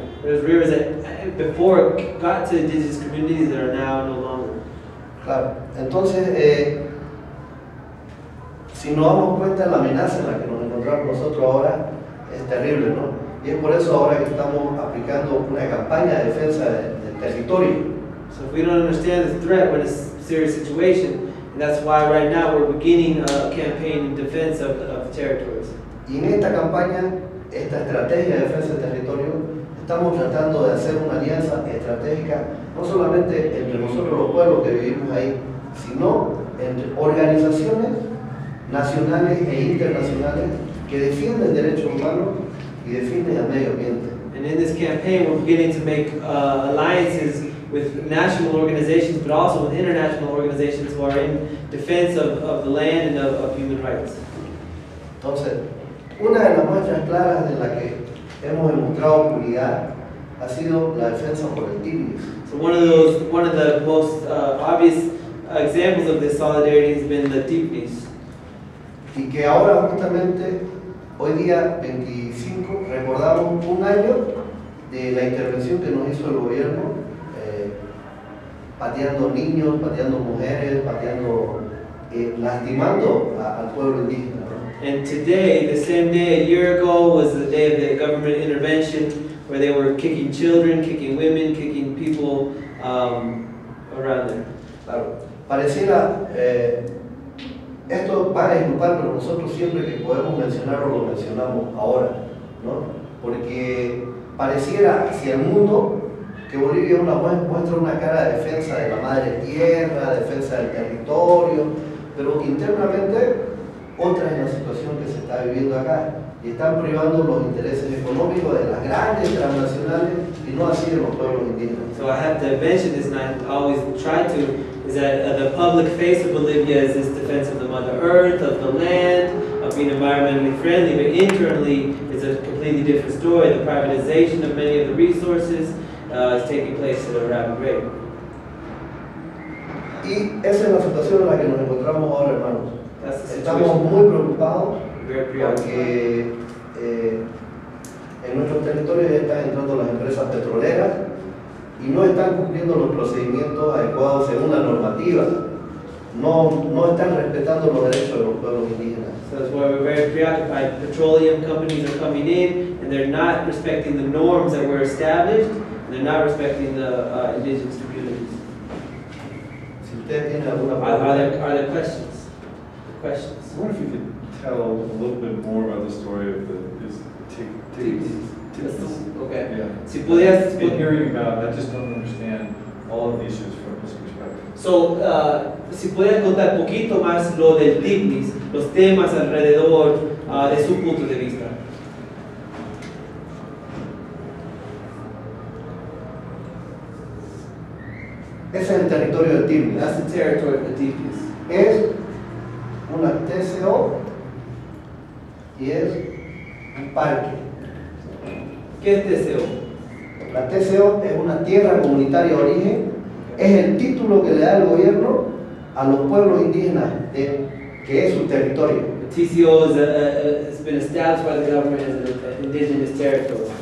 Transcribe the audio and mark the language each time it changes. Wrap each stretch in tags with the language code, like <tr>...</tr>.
<en>There's rivers that before got to indigenous communities that are now no longer.</en> <es>Claro. Entonces, si nos damos cuenta de la amenaza en la que nos encontramos nosotros ahora, es terrible, ¿no? Y es por eso ahora que estamos aplicando una campaña de defensa del territorio.</es> <en>So if we don't understand the threat, we're in a serious situation. And that's why right now we're beginning a campaign in defense of territories.</en> <es>Y en esta campaña, esta estrategia de defensa del territorio, estamos tratando de hacer una alianza estratégica, no solamente entre nosotros los pueblos que vivimos ahí, sino entre organizaciones nacionales e internacionales que defienden derechos humanos y defienden el medio ambiente.</es> <en>And in this campaign, we're beginning to make alliances with national organizations, but also with international organizations who are in defense of the land and of human rights.</en> <es>Entonces, una de las muestras claras de la que hemos demostrado unidad ha sido la defensa por el Tigris.</es> <en>So one of the most obvious examples of this solidarity has been the Tigris.</en> <es>Y que ahora justamente hoy día 25 recordamos un año de la intervención que nos hizo el gobierno pateando niños, pateando mujeres, pateando lastimando al pueblo indígena.</es> <en>And today, the same day a year ago, was the day of the government intervention where they were kicking children, kicking women, kicking people around there.</en> <es>Claro. Pareciera, esto va a disculpar, pero nosotros siempre que podemos mencionarlo, lo mencionamos ahora, ¿no? Porque pareciera hacia el mundo que Bolivia una vez muestra una cara de defensa de la madre tierra, defensa del territorio, pero internamente, otra es la situación que se está viviendo acá y están privando los intereses económicos de las grandes transnacionales y no así de los pueblos indígenas.</es> <en>So I have to mention this, and I always try to, is that the public face of Bolivia is this defense of the Mother Earth, of the land, of being environmentally friendly, but internally it's a completely different story. The privatization of many of the resources is taking place at a rapid rate.</en> <es>Y esa es la situación en la que nos encontramos ahora, hermanos. Estamos muy preocupados porque en nuestros territorios están entrando las empresas petroleras y no están cumpliendo los procedimientos adecuados según la normativa. no están respetando los derechos de los pueblos indígenas.</es> <en>So that's why we're very preoccupied. Petroleum companies are coming in and they're not respecting the norms that were established. They're not respecting the indigenous communities.</en> <es>Si usted tiene alguna</es> <en>pregunta. Are there questions? The questions. I wonder if you could tell a little bit more about the story of the Tiktis. Okay. Yeah.</en> <es>Si pudieras.</es> <en>In hearing about, I just don't understand all of the issues from this perspective.</en> <es>So, si pudieras contar poquito más lo del Tiktis, los temas alrededor de su punto de vista. Ese es el territorio de Tiflis.</es> <en>That's the territory of the Tiflis.</en> <es>Es una TCO y es un parque. ¿Qué es TCO? La TCO es una tierra comunitaria de origen. Es el título que le da el gobierno a los pueblos indígenas de, que es su territorio.</es> <en>The TCO has been established by the government as an indigenous territory.</en>